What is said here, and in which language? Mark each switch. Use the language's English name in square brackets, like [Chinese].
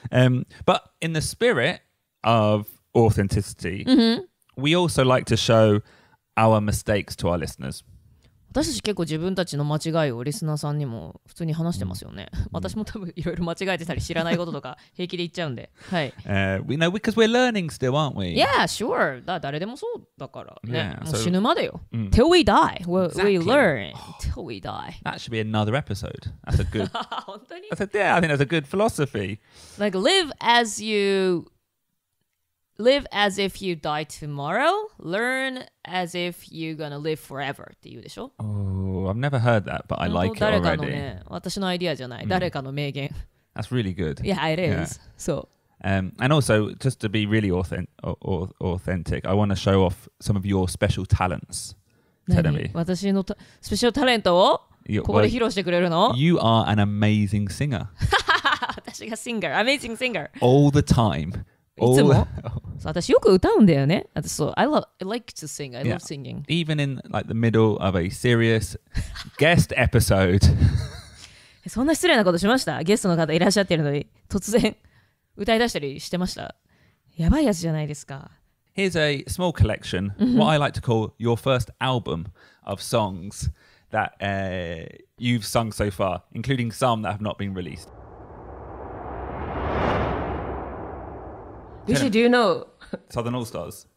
[English] But in the spirit of authenticity,we also like to show our mistakes to our listeners. [Japanese] 私たち結構自分たちの間違いをリスナーさんにも普通に話してますよね。私も多分いろいろ間違えてたり知らないこととか平気で言っちゃうんで。はい。 [English] We know because we're learning still, aren't we? Yeah, sure. [Japanese] だ誰でもそうだからね。もう死ぬまでよ。 [English] Till we die, we learn. Till we die. That should be another episode. That's a good. [Japanese] 本当に。 [English] Yeah, I think that's a good philosophy. Like live as if you die tomorrow, learn as if you're gonna live forever. [Japanese] って言うでしょ? [English] Oh, I've never heard that, but I like it already. [Japanese] 誰かのね、私のアイディアじゃない。誰かの名言。 [English] That's really good. Yeah, it is. Yeah. So. And also, just to be really authentic, I want to show off some of your special talents, Terumi. [Japanese] 私のスペシャルタレントをここで披露してくれるの? [English] You are an amazing singer. [Japanese] 私がシンガー、amazing singer. [English] All the time. [Japanese] いつも私よく歌うんだよね。 [English] So, I like to sing. I love singing. Even in like the middle of a serious guest episode. [Japanese] そんな失礼なことしました。ゲストの方いらっしゃってるのに突然歌い出したりしてました。やばいやつじゃないですか。 [English] Here's a small collection. What I like to call your first album of songs. that you've sung so far, including some that have not been released. Vishy, do you know? Southern All Stars.